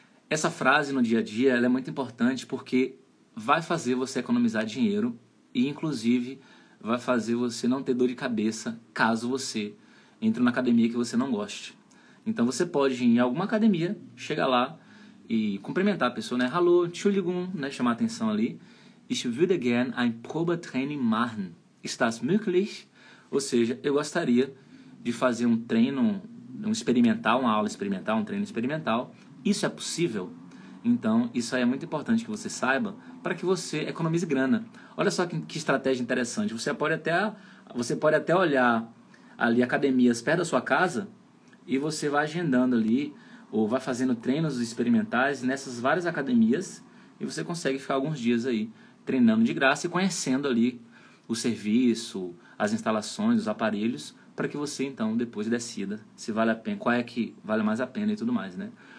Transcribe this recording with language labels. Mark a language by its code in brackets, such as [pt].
[pt] Essa frase no dia a dia, ela é muito importante porque vai fazer você economizar dinheiro e, inclusive, vai fazer você não ter dor de cabeça caso você entre na academia que você não goste. Então, você pode ir em alguma academia, chegar lá e cumprimentar a pessoa, né? [de] Hallo, Entschuldigung, [pt] né? Chamar a atenção ali. [de] Ich würde gern ein Probetraining machen. Ist das möglich? [pt] Ou seja, eu gostaria de fazer um treino um experimental, uma aula experimental, um treino experimental. Isso é possível? Então, isso aí é muito importante que você saiba para que você economize grana. Olha só que estratégia interessante. Você pode até olhar ali academias perto da sua casa e você vai agendando ali ou vai fazendo treinos experimentais nessas várias academias e você consegue ficar alguns dias aí treinando de graça e conhecendo ali o serviço, as instalações, os aparelhos, para que você então depois decida se vale a pena, qual é que vale mais a pena e tudo mais, né?